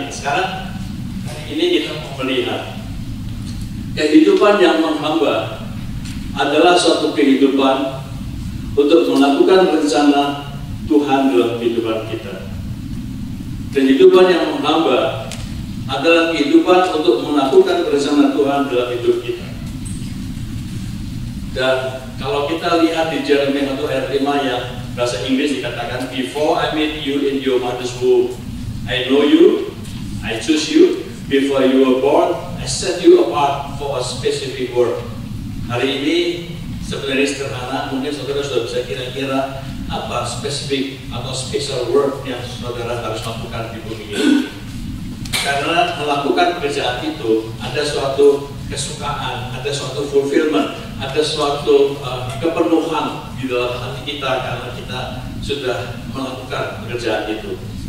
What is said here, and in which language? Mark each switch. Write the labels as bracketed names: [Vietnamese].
[Indonesian] Nah, sekarang hari ini kita mau melihat kehidupan yang menghamba adalah suatu kehidupan untuk melakukan rencana Tuhan dalam kehidupan kita. Kehidupan yang menghamba adalah kehidupan untuk melakukan rencana Tuhan dalam hidup kita. Dan kalau kita lihat di Jeremia 1 ayat 5 yang bahasa Inggris dikatakan, [English] before I meet you in your mother's womb, I know you, I choose you, before you were born, I set you apart for a specific work. [Indonesian] Hari ini sebenarnya sederhana, mungkin saudara sudah bisa kira-kira apa specific atau special work yang saudara harus lakukan di bumi ini. Karena melakukan pekerjaan itu ada suatu kesukaan, ada suatu fulfillment, ada suatu kepenuhan di dalam hati kita karena kita sudah melakukan pekerjaan itu.